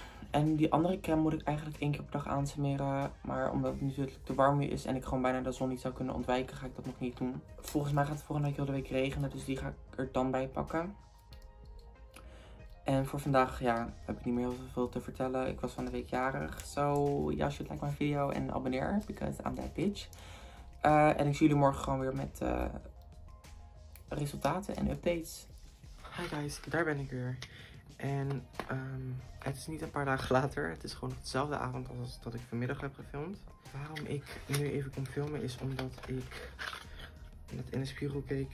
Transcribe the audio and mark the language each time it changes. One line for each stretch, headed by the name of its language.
Dutch: En die andere crème moet ik eigenlijk 1 keer per dag aansmeren. Maar omdat het natuurlijk te warm is en ik gewoon bijna de zon niet zou kunnen ontwijken, ga ik dat nog niet doen. Volgens mij gaat het volgende week heel de week regenen, dus die ga ik er dan bij pakken. En voor vandaag, ja, heb ik niet meer heel veel te vertellen. Ik was van de week jarig.
English: So, yeah, should like my video
Dutch: en abonneer,
English: because I'm that bitch.
Dutch: En ik zie jullie morgen gewoon weer met resultaten en updates. Hi guys, daar ben ik weer. En het is niet een paar dagen later. Het is gewoon hetzelfde avond als dat ik vanmiddag heb gefilmd. Waarom ik nu even kon filmen is omdat ik net in de spiegel keek.